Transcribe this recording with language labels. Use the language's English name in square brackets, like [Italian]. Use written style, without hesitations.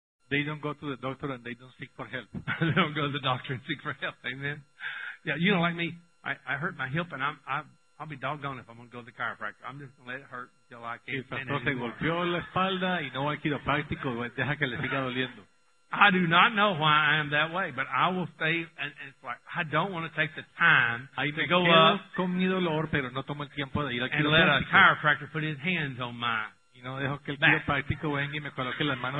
[English] They don't go to the doctor and they don't seek for help. They don't go to the doctor and seek for help. Amen. Yeah, you know, like me, I hurt my hip and I'll be doggone if I'm going to go to the chiropractor. I'm just going to let it hurt until I can't stand it. [Spanish] Se golpeó la espalda y no va al quiropráctico, deja que le siga doliendo. [English] I do not know why I am that way, but I will stay, and it's like, I don't want to take the time to go up [Spanish] con mi dolor, pero no tomo el tiempo de ir al [English] and let a chiropractor put his hands on my [Spanish] y no dejo que el quiropráctico venga y me coloque las manos